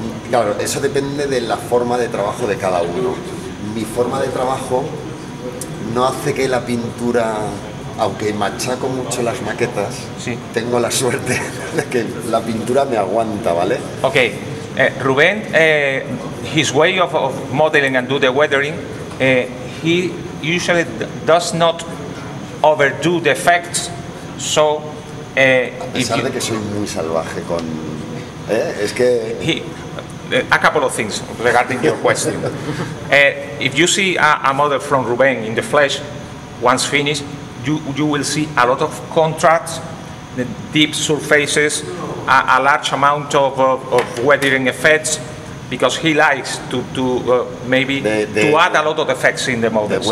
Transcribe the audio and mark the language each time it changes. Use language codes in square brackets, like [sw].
[es] Claro, eso depende de la forma de trabajo de cada uno. Mi forma de trabajo no hace que la pintura... Aunque machaco mucho las maquetas, sí, tengo la suerte de que la pintura me aguanta, ¿vale? [en] Ok. Rubén, his way of modeling and do the weathering, he usually does not overdo the effects. So, [es] a pesar de que soy muy salvaje con... es que... [en] A couple of things regarding your question. If you see a model from Ruben in the flesh, once finished, you will see a lot of contrasts, the deep surfaces, a large amount of weathering effects, because he likes to add a lot of effects in the models.